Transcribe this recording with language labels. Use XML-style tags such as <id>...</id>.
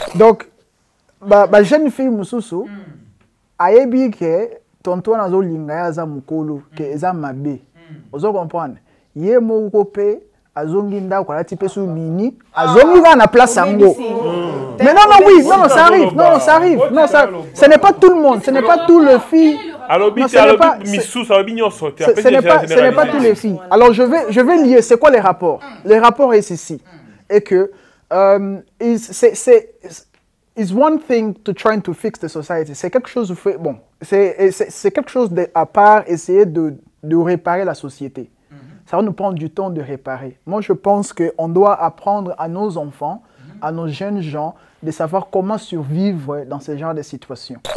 <fr>Donc, ma jeune fille, Moussousou, a dit que tonton a dit que ce n'est pas toutes les filles. Alors je vais lier, c'est quoi les rapports? Les rapports est ici. Et que</fr> <en>it's one thing to try to fix the society.</en> <fr>C'est quelque chose fait, bon, c'est quelque chose de, à part essayer de réparer la société. Ça va nous prendre du temps de réparer. Moi, je pense qu'on doit apprendre à nos enfants, à nos jeunes gens, de savoir comment survivre dans ce genre de situation.</fr>